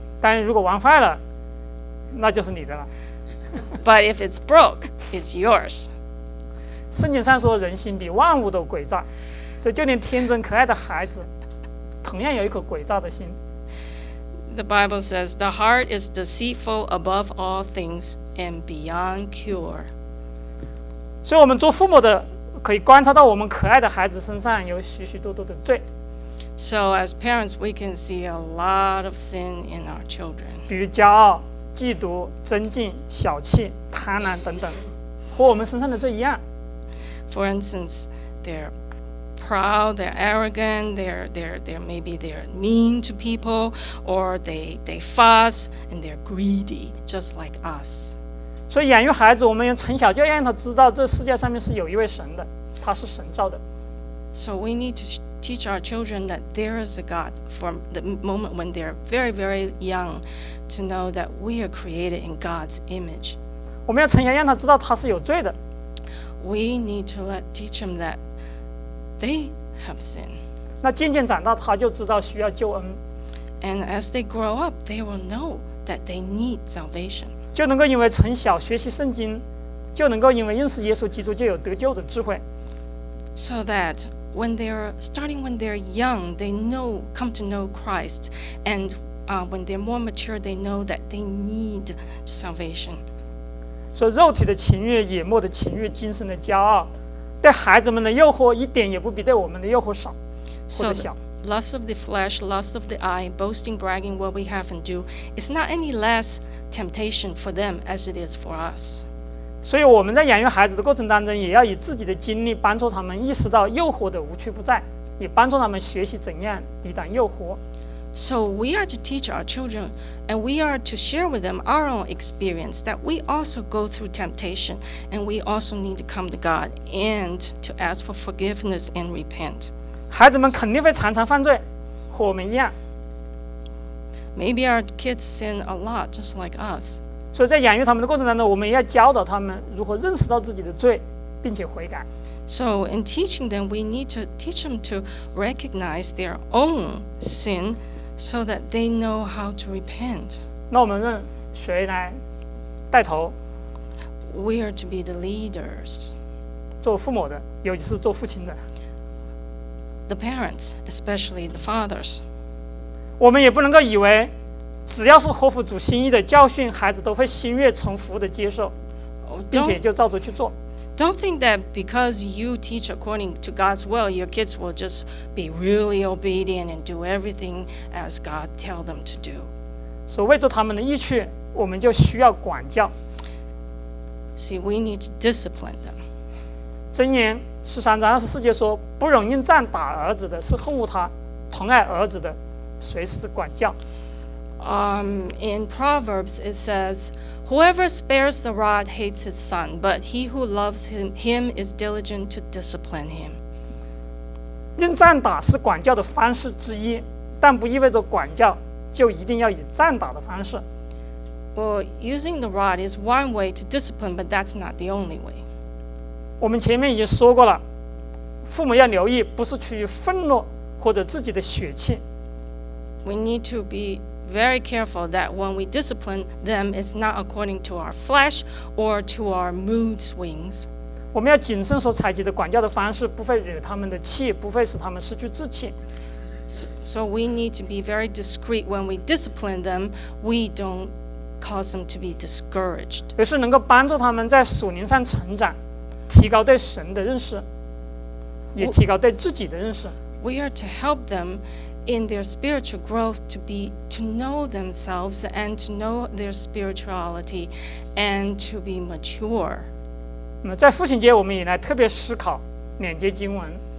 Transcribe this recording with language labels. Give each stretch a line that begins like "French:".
Chinese: 但如果玩坏了，那就是你的了。
English: But if it's broke, it's yours.
Chinese: 圣经上说，人心比万物都诡诈，所以就连天真可爱的孩子，同样有一颗诡诈的心。
English: The Bible says the heart is deceitful above all things and beyond cure.
Chinese: 所以我们做父母的可以观察到，我们可爱的孩子身上有许许多多的罪。
English: So as parents, we can see a lot of sin in our children.
Chinese: 比如骄傲、嫉妒、争竞、小气、贪婪等等，和我们身上的罪一样。
English: For instance, they're proud, they're arrogant, they're maybe they're mean to people, or they fuss and they're greedy, just like us.
Chinese: 所以养育孩子，我们从小就让他知道这世界上面是有一位神的，他是神造的。
English: So we need to teach our children that there is a God from the moment when they're very, very young to know that we are created in God's image.
Chinese: 我们要从小让他知道他是有罪的。
English: We need to teach them that they have sin.
Chinese: 那渐渐长大他就知道需要救恩。
English: And as they grow up, they will know that they need salvation.
Chinese: 就能够因为从小学习圣经，就能够因为认识耶稣基督就有得救的智慧。
English: So that when they're starting when they're young, they know come to know Christ, and when they're more mature, they know that they need salvation.
Chinese: So, 肉体的情欲、野末的情欲、精神的骄傲，对孩子们的诱惑一点也不比对我们的诱惑少或者小。
English: So, lust of the flesh, lust of the eye, boasting, bragging, what we have and do, it's not any less temptation for them as it is for us.
Chinese: 所以我们在养育孩子的过程当中，也要以自己的经历帮助他们意识到诱惑的无处不在，也帮助他们学习怎样抵挡诱惑。
English: So we are to teach our children, and we are to share with them our own experience that we also go through temptation, and we also need to come to God and to ask for forgiveness and repent.
Chinese: 孩子们肯定会常常犯罪，和我们一样。
English: Maybe our kids sin a lot, just like us.
Chinese: 所以在养育他们的过程当中，我们也要教导他们如何认识到自己的罪，并且悔改。
English: So in teaching them, we need to teach them to recognize their own sin, so that they know how to repent.
Chinese: 那我们问谁来带头
English: ？We are to be the leaders.
Chinese: 做父母的，尤其是做父亲的。
English: The parents, especially the fathers.
Chinese: 我们也不能够以为。只要是合乎主心意的教训，孩子都会心悦诚服地接受，并且就照着去做。
English: Don't think that because you teach according to God's will, your kids will just be really obedient and do everything as God tells them to do.
Chinese: 所以为着他们的益处，我们就需要管教。
English: See, we need to discipline them.
Chinese: 箴言十三章二十四节说：“不容用杖打儿子的，是恨恶他；疼爱儿子的，随时管教。”
English: In Proverbs, it says, whoever spares the rod hates his son, but he who loves him is diligent to discipline him.
Chinese: 用杖打是管教的方式之一，但不意味着管教就一定要以杖打的方式。
English: Well, using the rod is one way to discipline, but that's not the only way.
Chinese: 我们前面已经说过了，父母要留意，不是出于愤怒或者自己的血气。
English: We need to be very careful that when we discipline them, it's not according to our flesh or to our mood swings.
Chinese: 我们要谨慎所采取的管教的方式，不会惹他们的气，不会使他们失去志气。
English: So we need to be very discreet when we discipline them. We don't cause them to be discouraged.
Chinese: 也是能够帮助他们在属灵上成长，提高对神的认识，也提高对自己的认识。
English: We are to help them in their spiritual growth to know themselves and to know their spirituality and to be mature.
Chinese: 那在父亲节，我们也来特别思考两节经文。